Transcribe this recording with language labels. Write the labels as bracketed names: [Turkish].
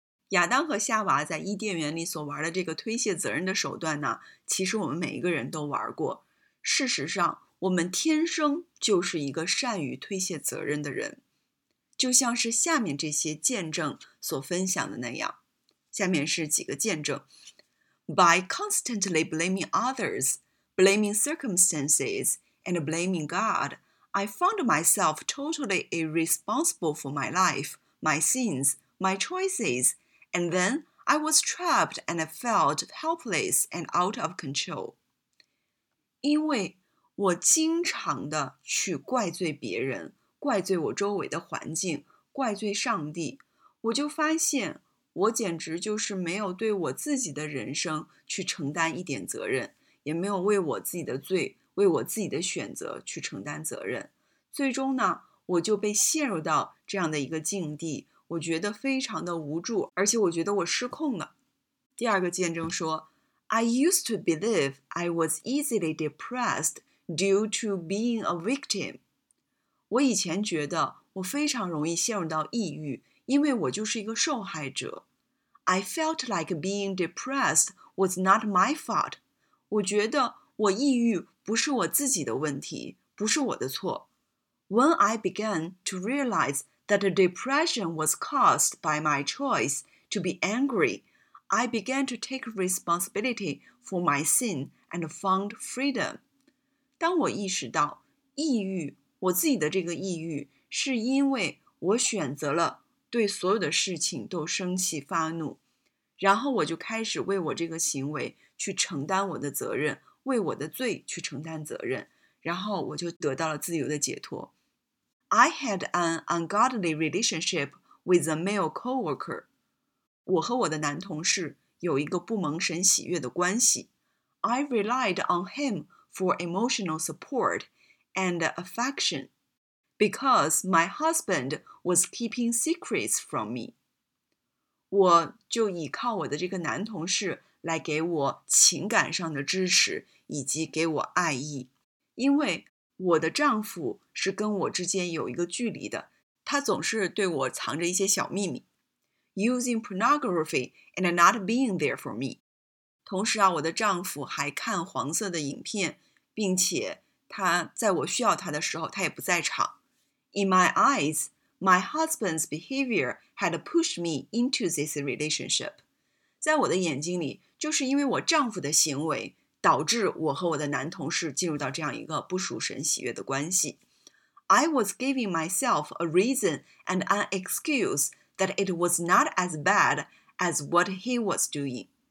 [Chinese] 亚当和夏娃在伊甸园里所玩的这个推卸责任的手段呢，其实我们每一个人都玩过。事实上，我们天生就是一个善于推卸责任的人，就像是下面这些见证所分享的那样。下面是几个见证。 [English] By constantly blaming others, blaming circumstances, and blaming God, I found myself totally irresponsible for my life, my sins, my choices, and then I was trapped and felt helpless and out of control. [Chinese] 因为我经常的去怪罪别人，怪罪我周围的环境，怪罪上帝，我就发现我简直就是没有对我自己的人生去承担一点责任，也没有为我自己的罪，为我自己的选择去承担责任。最终呢，我就被陷入到这样的一个境地，我觉得非常的无助，而且我觉得我失控了。第二个见证说， [English] I used to believe I was easily depressed due to being a victim. [Chinese] 我以前觉得我非常容易陷入到抑郁，因为我就是一个受害者。 [English] I felt like being depressed was not my fault. [Chinese] 我觉得我抑郁不是我自己的问题，不是我的错。 [English] When I began to realize that the depression was caused by my choice to be angry,I began to take responsibility for my sin and found freedom. [Chinese] 当我意识到抑郁我自己的这个抑郁是因为我选择了对所有的事情都生气发怒，然后我就开始为我这个行为去承担我的责任，为我的罪去承担责任，然后我就得到了自由的解脱。 [English] I had an ungodly relationship with a male coworker. [Chinese] 我和我的男同事有一个不蒙神喜悦的关系。 [English] I relied on him for emotional support and affection because my husband was keeping secrets from me. [Chinese] 我就依靠我的这个男同事来给我情感上的支持以及给我爱意，因为我的丈夫是跟我之间有一个距离的，他总是对我藏着一些小秘密。 [English] Using pornography and not being there for me. [Chinese] 同时啊，我的丈夫还看黄色的影片，并且他在我需要他的时候他也不在场。 [English] In my eyes, my husband's behavior had pushed me into this relationship. [Chinese] 在我的眼睛里，就是因为我丈夫的行为导致我和我的男同事进入到这样一个不属神喜悦的关系。 [English] I was giving myself a reason and an excuse that it was not as bad as what he was doing.